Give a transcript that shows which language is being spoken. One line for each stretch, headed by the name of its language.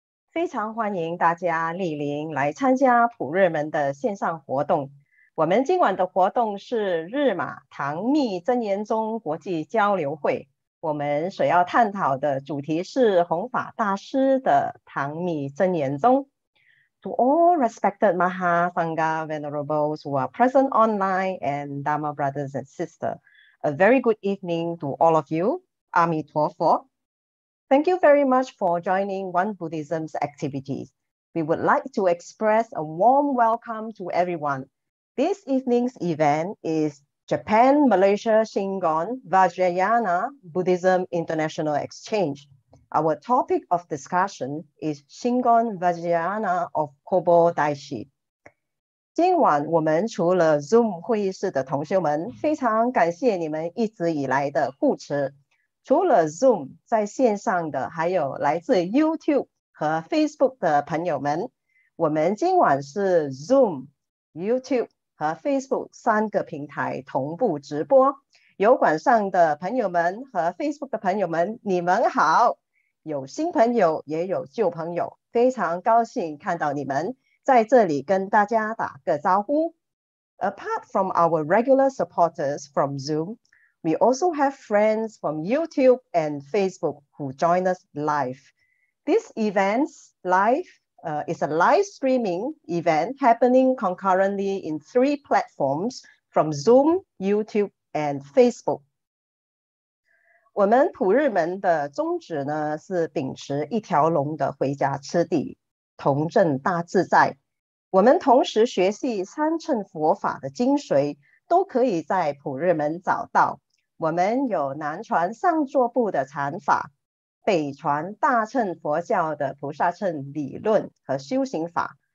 Chinese: 非常欢迎大家莅临来参加普日门的线上活动。我们今晚的活动是日马唐密真言宗国际交流会，我们所要探讨的主题是弘法大师的唐密真言宗。
English: To all respected Maha Sangha Venerables who are present online and Dharma brothers and sisters, a very good evening to all of you. Amitabha. Thank you very much for joining One Buddhism's activities. We would like to express a warm welcome to everyone. This evening's event is Japan Malaysia Shingon Vajrayana Buddhism International Exchange. Our topic of discussion is Shingon Vajrayana of Kobo Daishi.
Chinese: 今晚我们除了 Zoom 会议室的同学们，非常感谢你们一直以来的护持。除了 Zoom 在线上的，还有来自 YouTube 和 Facebook 的朋友们。我们今晚是 Zoom、YouTube 和 Facebook 三个平台同步直播。油管上的朋友们和 Facebook 的朋友们，你们好。有新朋友也有旧朋友，非常高兴看到你们在这里跟大家打个招呼。
English: Apart from our regular supporters from Zoom, we also have friends from YouTube and Facebook who join us live. This event's live is a live streaming event happening concurrently in three platforms from Zoom, YouTube, and Facebook.
Chinese: 我们普日门的宗旨呢是秉持一条龙的回家吃地，同证大自在。我们同时学习三乘佛法的精髓，都可以在普日门找到。我们有南传上座部的禅法，北传大乘佛教的菩萨乘理论和修行法，